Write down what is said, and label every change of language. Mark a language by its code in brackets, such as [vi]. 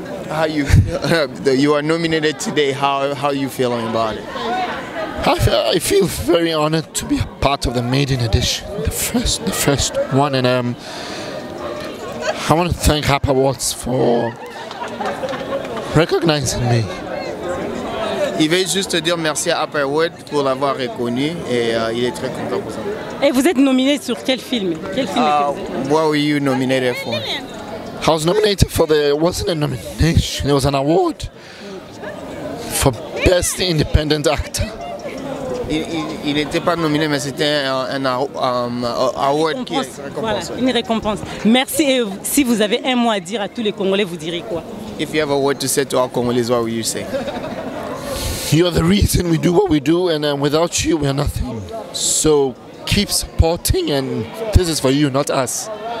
[en] How you feel, you are nominated today, how are you feeling about it? I feel very honored to be a part of the maiden edition, the first one, and I want to thank Happa Watts for recognizing me. [fr] Il veut juste dire merci à Happa Watts pour l'avoir reconnu et il est très content pour ça. Et vous êtes nominé sur quel film? [en] What were you nominated for? I was nominated for the, it wasn't a nomination, it was an award for Best Independent Actor. [fr] Il n'était pas nominé, mais c'était un award qui est récompensé. Voilà, une récompense. Merci. Et si vous avez un mot à dire à tous les Congolais, vous direz quoi? [en] If you have a word to say to all Congolais, what would you say? You are the reason we do what we do, and without you, we are nothing. So keep supporting, and this is for you, not us.